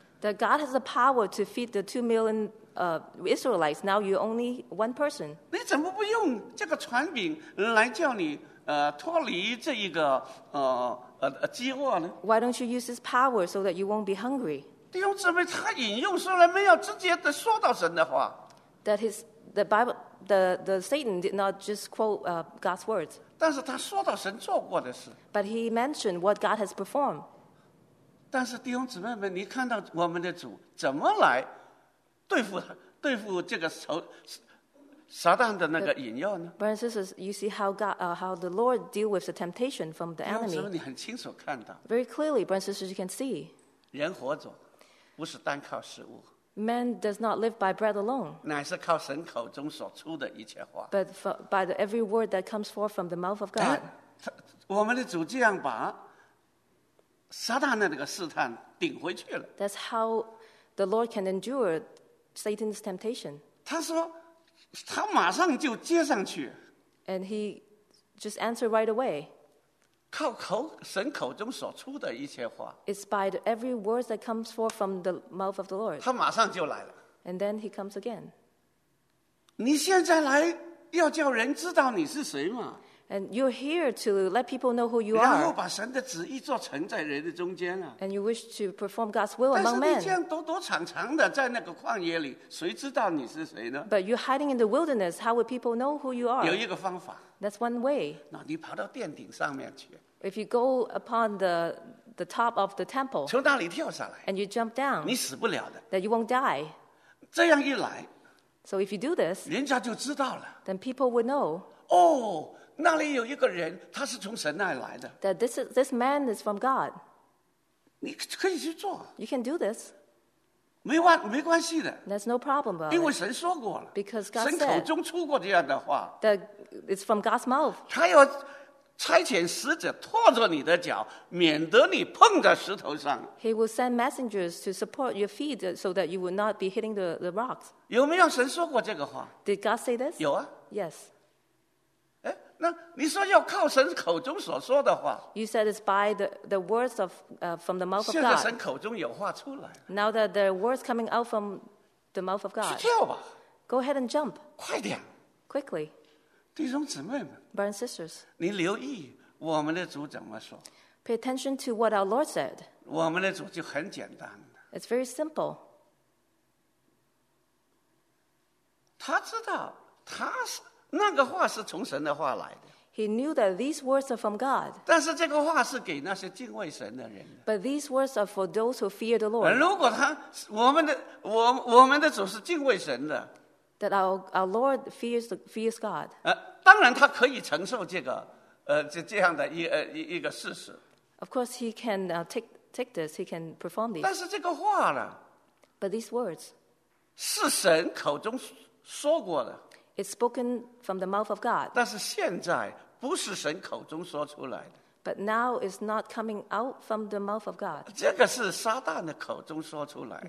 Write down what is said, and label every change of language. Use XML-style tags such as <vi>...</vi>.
<en>That God has the power to feed the 2 million Israelites. Now you only one person.</en> <zh>你怎么不用这个船饼来叫你脱离这一个饥饿呢</zh> <en>？Why don't you use this power so that you won't be hungry？</en> <zh>弟兄姊妹，他引用虽然没有直接的说到神的话</zh> <en>，that his the Bible the Satan did not just quote God's words，</en> <zh>但是他说到神做过的事</zh> <en>，but he mentioned what God has performed。</en> <zh>但是弟兄姊妹们，你看到我们的主怎么来对付这个撒旦的那个引诱呢</zh> <en>？Brothers and sisters, you see how God how the Lord deal with the temptation from the enemy。</en> <zh>弟兄姊妹，你很清楚看到</zh> <en>，very clearly, brothers and sisters, you can see。</en> <zh>人活着。不是单靠食物。</zh> <en>Man does not live by bread alone.</en> <zh>乃是靠神口中所出的一切话。</zh> <en>But by the every word that comes forth from the mouth of God.</en> <zh>我们的主这样把撒旦的那个试探顶回去了。</zh> <en>That's how the Lord can endure Satan's temptation.</en> <zh>他说，他马上就接上去。</zh> <en>And he just answered right away.</en> <zh>靠口神口中所出的一切话</zh> <en>，It's by the every word that comes forth from the mouth of the Lord。</en> <zh>他马上就来了</zh> <en>，And then he comes again。</en> <zh>你现在来要叫人知道你是谁吗</zh> <en>？And you're here to let people know who you are。</en> <zh>然后把神的旨意做成在人的中间啊。</zh> <en>And you wish to perform God's will among men。</en> <zh>但是你这样躲躲藏藏的在那个旷野里，谁知道你是谁呢</zh> <en>？But you're hiding in the wilderness. How would people know who you are？</en> <zh>有一个方法。</zh> <en>That's one way.</en> <zh>那你跑到殿顶上面去。</zh> <en>If you go upon the top of the temple,</en> <zh>从那里跳下来。</zh> <en>And you jump down,</en> <zh>你死不了的。</zh> <en>That you won't die.</en> <zh>这样一来。</zh> <en>So if you do this,</en> <zh>人家就知道了。</zh> <en>Then people would know.</en> <zh>哦，那里有一个人，他是从神那里来的。</zh> <en>That this man is from God.</en> <zh>你可以去做。</zh> <en>You can do this.</en> <zh>没关系的。</zh> <en>There's no problem about it.</en> <zh>因为神说过了,</zh> <en>because God said,</en> <zh>神口中出过这样的话,</zh> <en>that it's from God's mouth.</en> <zh>他要差遣使者托着你的脚, 免得你碰在石头上。</zh> <en>He will send messengers to support your feet so that you will not be hitting the rocks.</en> <zh>有没有神说过这个话?</zh> <en>Did God say this?</en> <zh>有啊。</zh> <en>Yes.</en> <zh>那你说要靠神口中所说的话,</zh> <en>you said it's by the words of, from the mouth of God.</en> <zh>现在神口中有话出来,</zh> <en>now that the words coming out from the mouth of God,</en> <zh>去跳吧,</zh> <en>go ahead and jump.</en> <zh>快点,</zh> <en>quickly.</en> <zh>弟兄姊妹们,</zh> <en>brothers and sisters,</en> <zh>你留意我们的主怎么说,</zh> <en>pay attention to what our Lord said.</en> <zh>我们的主就很简单,</zh> <en>it's very simple.</en> <zh>他知道他是, 那个话是从神的话来的。</zh> <en>He knew that these words are from God.</en> <zh>但是这个话是给那些敬畏神的人的。</zh> <en>But these words are for those who fear the Lord.</en> <zh>如果我们的主是敬畏神的,</zh> <en>that our Lord fears God.</en> <zh>当然他可以承受这样的一个事实。</zh> <en>Of course he can take this, he can perform this.</en> <zh>但是这个话呢,</zh> <en>but these words,</en> <zh>是神口中说过的。</zh> <en>It's spoken from the mouth of God.</en> <zh>但是现在不是神口中说出来的。</zh> <en>But now it's not coming out from the mouth of God.</en> <zh>这个是撒旦的口中说出来的。</zh>